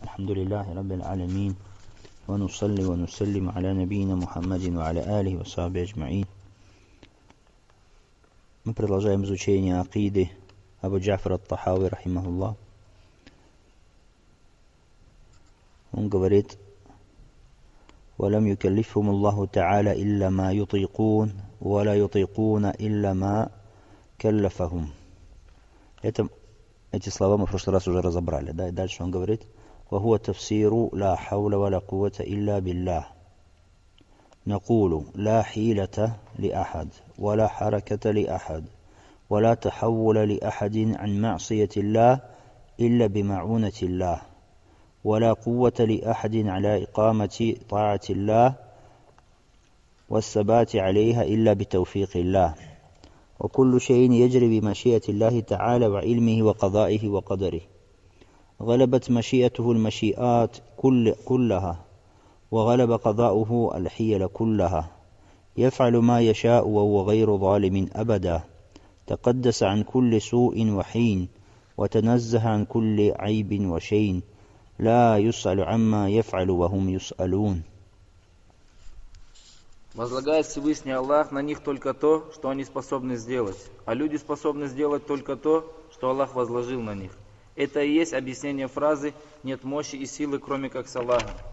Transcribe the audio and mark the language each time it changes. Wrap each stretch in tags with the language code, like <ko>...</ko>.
<ar>الحمد لله رب العالمين، ونصلي ونسلم على نبينا محمد وعلى آله وصحبه أجمعين.</ar> <ru>Мы продолжаем изучение акиды Абу Джафра ат-Тахави рахимахуллах. Он говорит:</ru> <ar>ولم يكلفهم الله تعالى إلا ما يطيقون ولا يطيقون إلا ما كلفهم.</ar> <ru>Эти слова мы в прошлый раз уже разобрали, да, и дальше он говорит:</ru> <ar>وهو تفسير لا حول ولا قوة إلا بالله. نقول: لا حيلة لأحد، ولا حركة لأحد، ولا تحول لأحد عن معصية الله إلا بمعونة الله، ولا قوة لأحد على إقامة طاعة الله والثبات عليها إلا بتوفيق الله. وكل شيء يجري بمشيئة الله تعالى وعلمه وقضائه وقدره. غلبت مشيئته المشيئات كلها، وغلب قضاؤه الحيل كلها. يفعل ما يشاء وهو غير ظالم أبدا. تقدس عن كل سوء وحين، وتنزه عن كل عيب وشين. لا يسأل عما يفعل وهم يسألون.</ar> <ru>Возлагает Всевышний Аллах на них только то, что они способны сделать, а люди способны сделать только то, что Аллах возложил на них. Это и есть объяснение фразы «нет мощи и силы, кроме как с Аллахом».</ru>